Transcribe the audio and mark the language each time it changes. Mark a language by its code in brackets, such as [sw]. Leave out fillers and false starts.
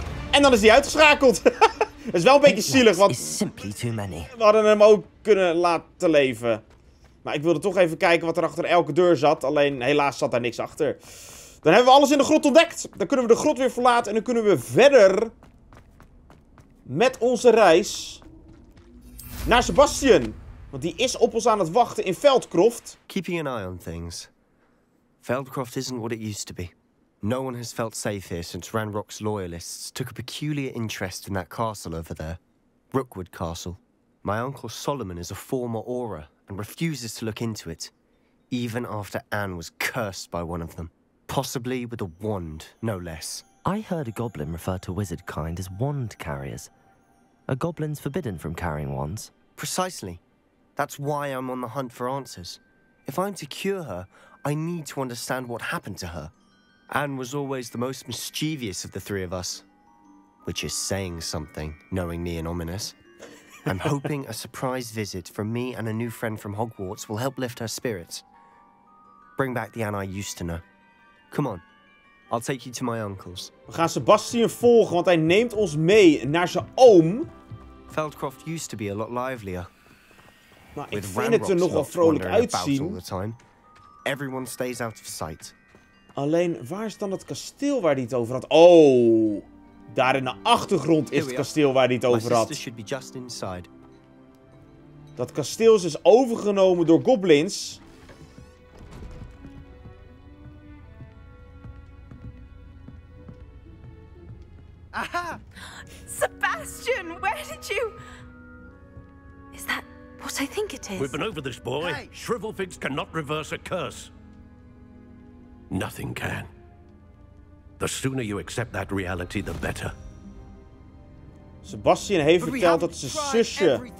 [nl] En dan is die uitgeschakeld. Dat is wel een beetje zielig, want we hadden hem ook kunnen laten leven. Maar ik wilde toch even kijken wat er achter elke deur zat. Alleen helaas zat daar niks achter. Dan hebben we alles in de grot ontdekt. Dan kunnen we de grot weer verlaten en dan kunnen we verder met onze reis naar Sebastian. Want die is op ons aan het wachten in FELDCROFT. [en] Keeping an eye on things. FELDCROFT isn't what it used to be. No one has felt safe here since Ranrock's loyalists took a peculiar interest in that castle over there. Rookwood Castle. My uncle Solomon is a former Aura and refuses to look into it. Even after Anne was cursed by one of them. Possibly with a wand, no less. I heard a goblin refer to wizard kind as wand carriers. Are goblins forbidden from carrying wands? Precisely. That's why I'm on the hunt for answers. If I'm to cure her, I need to understand what happened to her. Anne was always the most mischievous of the three of us. Which is saying something, knowing me and Ominous. I'm hoping a surprise visit from me and a new friend from Hogwarts will help lift her spirits. Bring back the Anne I used to know. Come on, I'll take you to my uncle's. [nl] We gaan Sebastian volgen, want hij neemt ons mee naar zijn oom. [en] FELDCROFT used to be a lot livelier. [nl] Maar ik vind het er nogal vrolijk uitzien. [en] Everyone stays out of sight. [nl] Alleen, waar is dan dat kasteel waar hij het over had? Oh, daar in de achtergrond is het kasteel waar hij het over had. [en] My sister should be just inside. [nl] Dat kasteel is dus overgenomen door goblins. Aha! [en] Sebastian, where did you... Is that what I think it is? We've been over this, boy. Hey. Shrivel figs cannot reverse a curse. Nothing can. The sooner you accept that reality, the better. [nl] Sebastian heeft verteld dat zijn zusje...